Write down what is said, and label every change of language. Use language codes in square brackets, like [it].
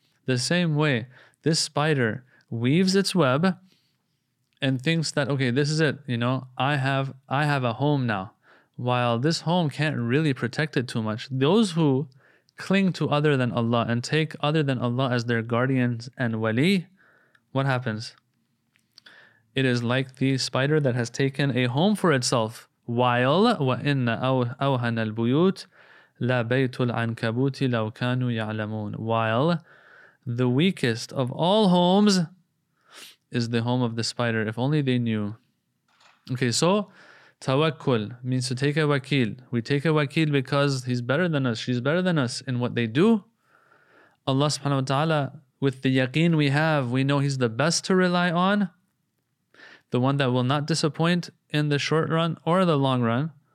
[en] The same way, this spider weaves its web and thinks that, okay, this is it, you know, I have a home now. While this home can't really protect it too much, those who cling to other than Allah and take other than Allah as their guardians and wali, what happens? It is like the spider that has taken a home for itself. While [ar] وَإِنَّ أَوْهَنَ الْبُيُوتِ لَبَيْتُ الْعَنْكَبُوتِ لَوْ كَانُوا يَعْلَمُونَ. [en] While the weakest of all homes is the home of the spider. If only they knew. Okay, so tawakkul means to take a wakil. We take a wakil because he's better than us, she's better than us in what they do. Allah subhanahu wa ta'ala, with the yaqeen we have, we know He's the best to rely on, the one that will not disappoint in the short run or the long run.